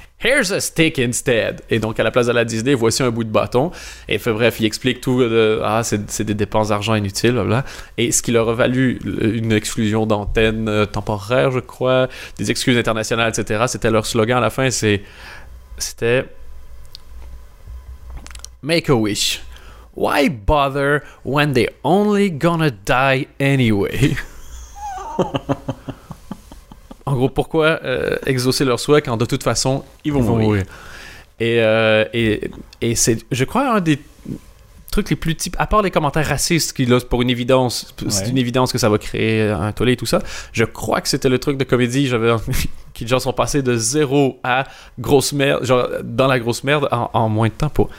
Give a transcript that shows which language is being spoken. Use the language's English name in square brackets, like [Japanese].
[English] Here's a stick instead. [French] Et donc, à la place de la Disney, voici un bout de bâton. Et fait, bref, il explique tout. C'est des dépenses d'argent inutiles, blablabla. Et ce qui leur a valu une exclusion d'antenne temporaire, je crois, des excuses internationales, etc. C'était leur slogan à la fin. C'était [English] Make a wish. Why bother when they're only gonna die anyway? [French] En gros, pourquoi exaucer leurs souhaits quand de toute façon, ils vont mourir. Et c'est, je crois, un des trucs les plus types, à part les commentaires racistes, qui, là, pour une évidence, c'est une évidence que ça va créer un tollé et tout ça, je crois que c'était le truc de comédie qui, genre, sont passés de zéro à grosse merde, genre, dans la grosse merde, en moins de temps.